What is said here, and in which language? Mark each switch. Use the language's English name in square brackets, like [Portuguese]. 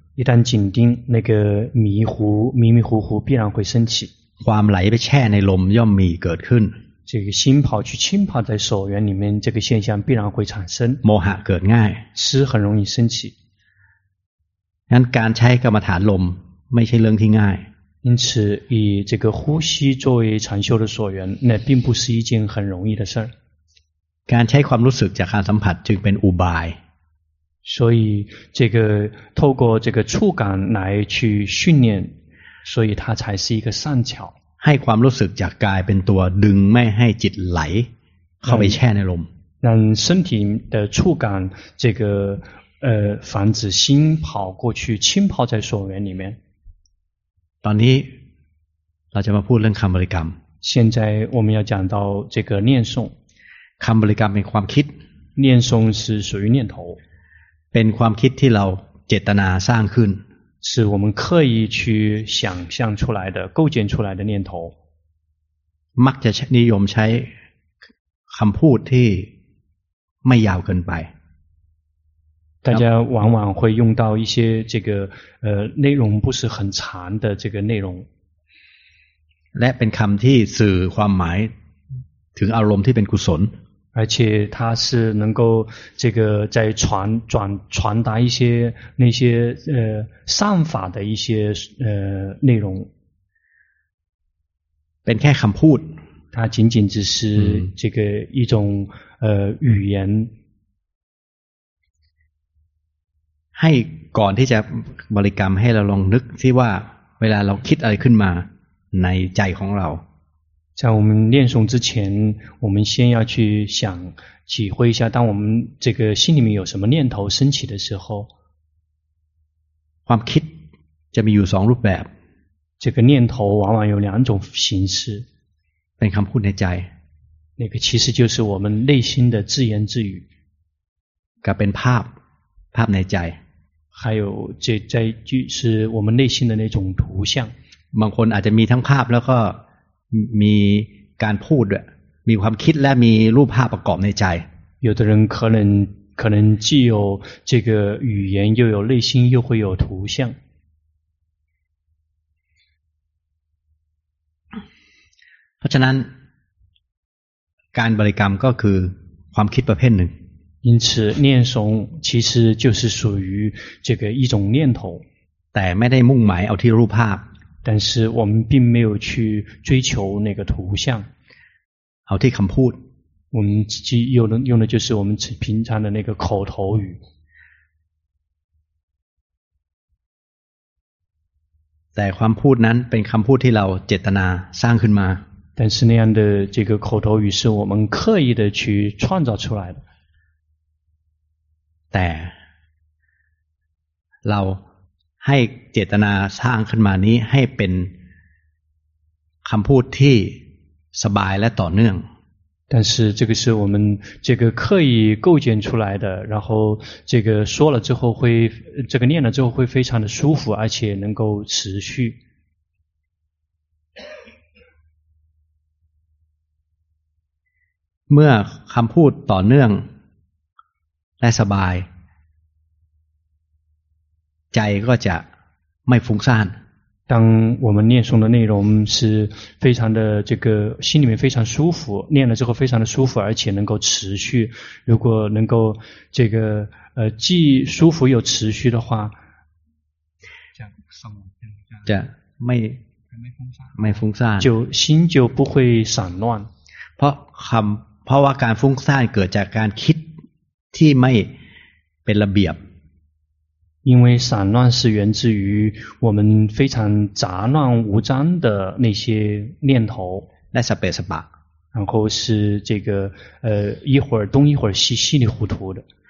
[Chinese] 一旦紧盯那个迷糊迷迷糊糊必然会升起 [Thai] ความไหลไปแช่ในลมย่อมมีเกิดขึ้น [Chinese] 这个心跑去浸泡在所缘里面，这个现象必然会产生。 [Thai] โมหะเกิดง่าย， [Chinese] 痴很容易升起。 [Thai] งั้นการใช้กรรมฐานลมไม่ใช่เรื่องที่ง่าย。 [Chinese] 因此，以这个呼吸作为禅修的所缘，那并不是一件很容易的事儿。 [Thai] การใช้ความรู้สึกจากการสัมผัสจึงเป็นอุบาย。 [Chinese] 所以，这个透过这个触感来去训练，所以它才是一个善巧。 [Thai] ให้ความรู้สึกจากกายเป็นตัวดึงไม่ให้จิตไหลเข้าไปแช่ในลม。 [Chinese] 让身体的触感这个防止心跑过去浸泡在所缘里面。 [Thai] ตอนนี้เราจะมาพูดเรื่องคำบริกรรม。 [Chinese] 现在我们要讲到这个念诵。 [Thai] คำบริกรรมเป็นความคิด。 [Chinese] 念诵是属于念头。 [Thai] เป็นความคิดที่เราเจตนาสร้างขึ้น [Chinese] 是我们刻意去想象出来的构建出来的念头 [Thai] มักจะนิยมใช้คำพูดที่ไม่ยาวเกินไป [Chinese] 大家往往会用到一些这个内容不是很长的这个内容 [Thai] และเป็นคำที่สื่อความหมายถึงอารมณ์ที่เป็นกุศล [Chinese] 而且它是能够这个在传达一些那些善法的一些内容 [Thai] เป็นแค่คำพูด [Chinese] 它仅仅只是这个一种语言 [Thai] ให้ก่อนที่จะบริกรรมให้เราลองนึกที่ว่าเวลาเราคิดอะไรขึ้นมาในใจของเรา [Chinese] 在我们念诵之前，我们先要去想、体会一下，当我们这个心里面有什么念头升起的时候， [Thai] ความคิดจะมีอยู่สองรูปแบบ。 [Chinese] 这个念头往往有两种形式。 [Thai] เป็นคำพูดในใจ。 [Chinese] 那个其实就是我们内心的自言自语。 [Thai] กับเป็นภาพ，ภาพในใจ。 [Chinese] 还有这在就是我们内心的那种图像。 [Thai] บางคนอาจจะมีทั้งภาพแล้วก็มีการพูดมีความคิดและมีรูปภาพประกอบในใจ [Chinese] 有的人可能既有这个语言又有内心又会有图像 [Thai] เพราะฉะนั้นการบริกรรมก็คือความคิดประเภทหนึ่ง [Chinese] 因此念诵其实就是属于这个一种念头 [Thai] แต่ไม่ได้มุ่งหมายเอาที่รูปภาพ [Chinese] 但是我们并没有去追求那个图像 [Thai] เอาที่คำพูด [Chinese] 我们只用的就是我们平常的那个口头语 [Thai] แต่ความพูดนั้นเป็นคำพูดที่เราเจตนาสร้างขึ้นมา [Chinese] 但是那样的这个口头语是我们刻意的去创造出来的 [Thai] แต่เราให้เจตนาสร้างขึ้นมานี้ให้เป็นคำพูดที่สบายและต่อเนื่อง [Chinese] 但是这个是我们这个刻意构建出来的然后这个说了之后会这个念了之后会非常的舒服而且能够持续 [Thai] เมื่อคำพูดต่อเนื่องและสบายใจก็จะไม่ฟุ้งซ่าน [Chinese] 当我们念诵的内容是非常的这个心里面非常舒服念了之后非常的舒服而且能够持续如果能够这个既舒服又持续的话 [Thai] จะไม่ฟุ้งซ่าน [Chinese] 就心就不会散乱 [Thai] เพราะว่าการฟุ้งซ่านเกิดจากการคิดที่ไม่เป็นระเบียบ [Chinese] 因为散乱是源自于我们非常杂乱无章的那些念头然后是这个一会儿东一会儿西稀里糊涂的